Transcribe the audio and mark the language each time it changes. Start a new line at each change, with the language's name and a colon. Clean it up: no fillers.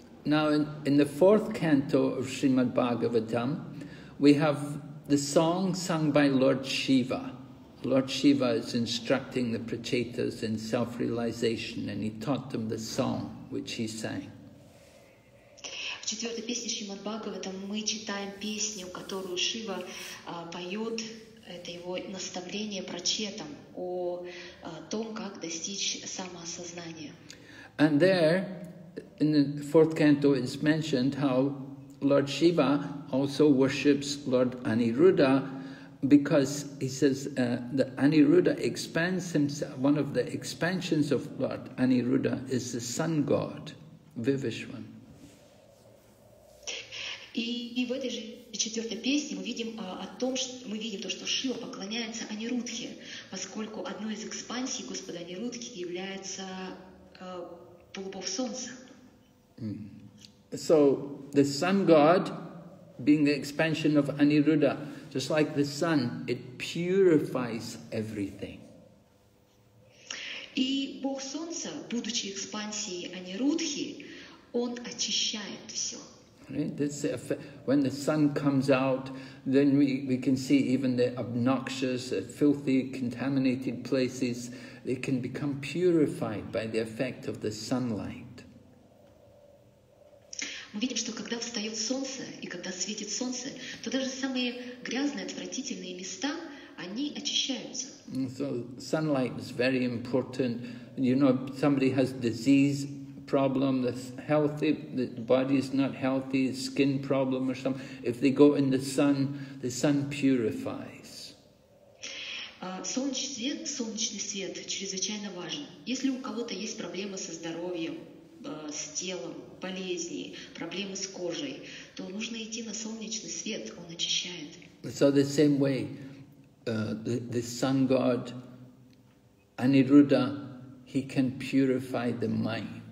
English: Now, in the fourth canto of Srimad Bhagavatam, we have the song sung by Lord Shiva. Lord Shiva is instructing the Prachetas in self-realization, and he taught them the song which he sang.
Russian: В четвертой песне Шримад Бхагаватам мы читаем песню, которую Шива поет, это его наставление Прачетам о том, как достичь самоосознания.
English: And there, in the fourth canto, it's mentioned how Lord Shiva also worships Lord Aniruddha, because he says that Aniruddha expands himself. One of the expansions of Lord Aniruddha is the sun god, Vivishvan.
Russian: И в этой же четвертой песне мы видим о том, что мы видим то, что Шива поклоняется Анирудхе, поскольку одной из экспансий Господа Анирудхи является полубог Солнца.
English: So the sun god being the expansion of Aniruddha, just like the sun, it purifies everything.
Russian: И бог Солнца, будучи экспансией Анирудхи, он очищает все.
English: Right? This effect, when the sun comes out, then we can see even the obnoxious, filthy, contaminated places, they can become purified by the effect of the sunlight.
Russian: Мы видим, что когда встает солнце и когда светит солнце, то даже самые грязные, отвратительные места, они очищаются.
English: So sunlight is very important. You know, somebody has disease, problem, the healthy, the body is not healthy, skin problem or something, if they go in the sun purifies.
Russian: Солнечный свет чрезвычайно важен. Если у кого-то есть проблемы со здоровьем, с телом, болезни, проблемы с кожей, то нужно идти на солнечный свет, он очищает.
English: So the same way, the sun god, Aniruddha, he can purify the mind.